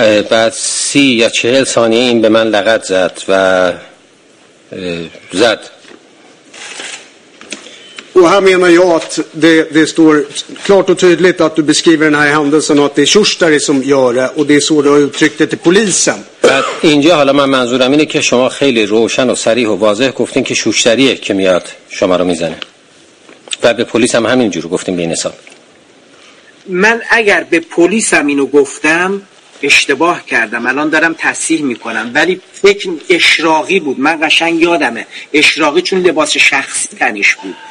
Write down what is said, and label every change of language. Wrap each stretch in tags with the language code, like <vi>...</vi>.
<fa>بعد 30 یا 40 ثانیه این به من لگد زد و زد.</fa> <sv>Och här menar jag att det står klart och tydligt att du beskriver den här händelsen och att det är Shushtari som gör det och det är så du har uttryckt det till polisen.</sv> <fa>بعد اینجا حالا من منظورم اینه که شما خیلی روشن و صریح و واضح گفتین که شوشتریه که میاد شما رو میزنه. و به پلیس هم همینجور گفتین به این حساب. من اگر به پلیس هم اینو گفتم اشتباه کردم، الان دارم تصحیح میکنم، ولی فکر اشراقی بود، من قشنگ یادمه اشراقی چون لباس شخصی تنش بود.</fa>